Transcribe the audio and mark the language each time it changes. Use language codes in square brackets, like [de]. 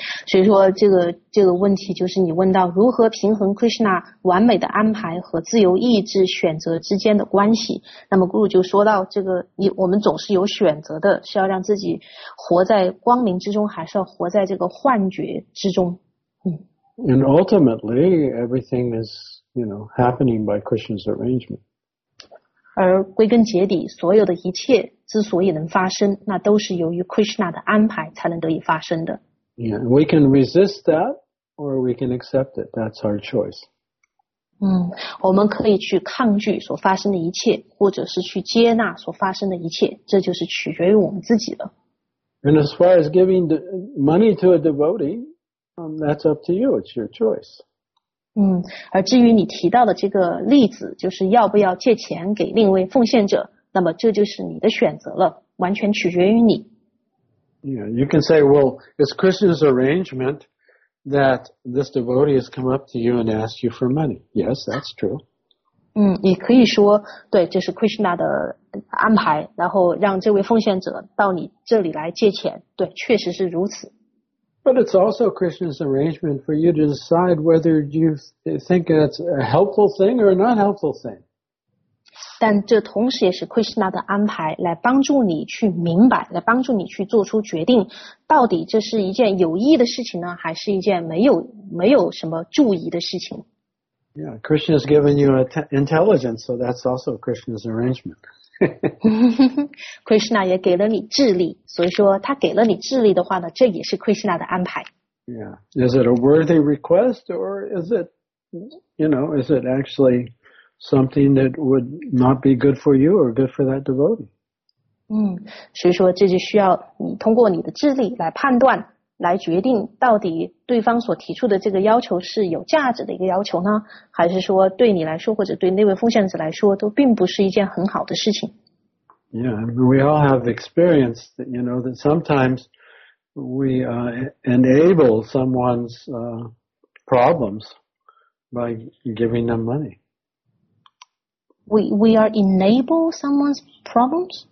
[zh] 所以说这个问题就是你问到如何平衡 Krishna 完美的安排和自由意志选择之间的关系。那么 Guru 就说到这个，我们总是有选择的，是要让自己活在光明之中，还是要活在这个幻觉之中。 [en] And ultimately, everything is, you know, happening by Krishna's arrangement. [zh] 而归根结底，所有的一切之所以能发生，那都是由于 Krishna 的安排才能得以发生的。 [en] Yeah, we can resist that, or we can accept it. That's our choice. [zh] 我们可以去抗拒所发生的一切，或者是去接纳所发生的一切，这就是取决于我们自己的。 [en] And as far as giving the money to a devotee,that's up to you. It's your choice. [zh] 而至于你提到的这个例子，就是要不要借钱给另一位奉献者，那么这就是你的选择了，完全取决于你。 [en] Yeah, you can say, well, it's Krishna's arrangement that this devotee has come up to you and asked you for money. Yes, that's true. [zh] 你可以说，对，这是 Krishna 的安排，然后让这位奉献者到你这里来借钱。对，确实是如此。 [en] But it's also Krishna's arrangement for you to decide whether you think it's a helpful thing or a not helpful thing. [zh] 但这同时也是 Krishna 的安排，来帮助你去明白，来帮助你去做出决定，到底这是一件有益的事情呢，还是一件没有什么注意的事情。 [en] Yeah, Krishna has given you intelligence, so that's also Krishna's arrangement. [zh] Krishna 也给了你智力，所以说他给了你智力的话呢，这也是 Krishna 的安排。 [en] Yeah, is it a worthy request or is it, you know, is it actually something that would not be good for you or good for that devotee? [zh] 所以说这就需要你通过你的智力来判断，来决定到底对方所提出的这个要求是有价值的一个要求呢，还是说对你来说或者对那位奉献者来说都并不是一件很好的事情。 [en] Yeah, we all have experience that, you know, that sometimes we enable someone's problems by giving them money. We are enable someone's problems?